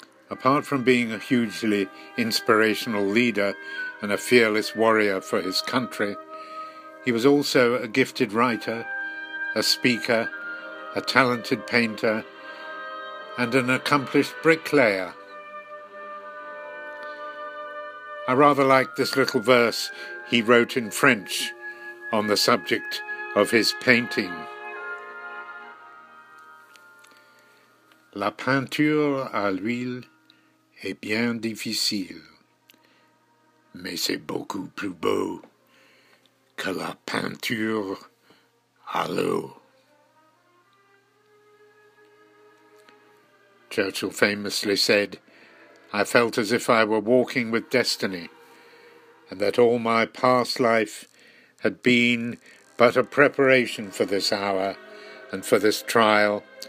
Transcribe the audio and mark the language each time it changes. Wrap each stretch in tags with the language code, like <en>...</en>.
<en>Apart from being a hugely inspirational leader and a fearless warrior for his country, he was also a gifted writer, a speaker, a talented painter, and an accomplished bricklayer. I rather like this little verse he wrote in French on the subject of his painting.</en> <fr>La peinture à l'huile est bien difficile, mais c'est beaucoup plus beau que la peinture à l'eau.</fr> <en>Churchill famously said, I felt as if I were walking with destiny, and that all my past life had been but a preparation for this hour and for this trial.</en>